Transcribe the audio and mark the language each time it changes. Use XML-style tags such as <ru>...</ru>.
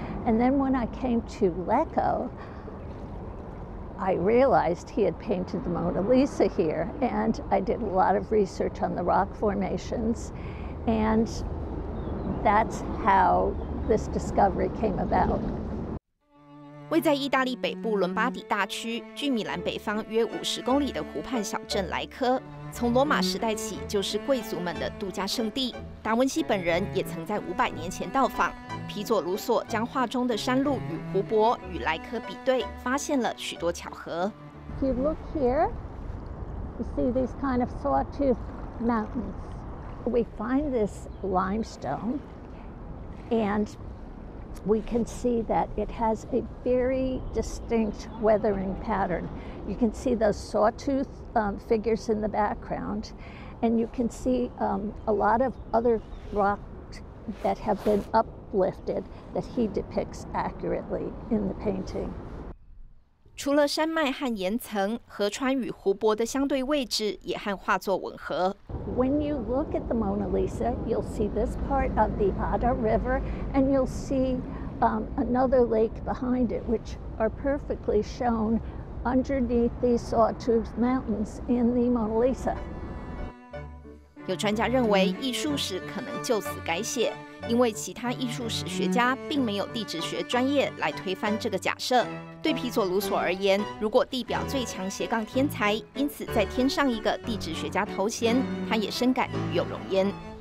<en>And then when I came to Lecco, I realized he had painted the Mona Lisa here, and I did a lot of research on the rock formations, and that's how this discovery came about.</en> <zh>位在意大利北部伦巴底大区，距米兰北方约50公里的湖畔小镇莱科，从罗马时代起就是贵族们的度假胜地。达文西本人也曾在500年前到访。皮佐鲁索将画中的山路与湖泊与莱科比对，发现了许多巧合。</zh> <en>If you look here, you see these kind of sawtooth mountains. We find this limestone and. We can see that it has a very distinct weathering pattern. You can see those sawtooth figures in the background, and you can see a lot of other rocks that have been uplifted that he depicts accurately in the painting.</en> <zh>除了山脉和岩层，河川与湖泊的相对位置也和画作吻合。</zh> <en>When you look at the Mona Lisa, you'll see this part of the Adda River, and you'll see another lake behind it, which are perfectly shown underneath these sawtooth mountains in the Mona Lisa.</en> <zh>有专家认为，艺术史可能就此改写，因为其他艺术史学家并没有地质学专业来推翻这个假设。对皮佐鲁索而言，如果地表最强斜杠天才因此再添上一个地质学家头衔，他也深感与有荣焉。</zh>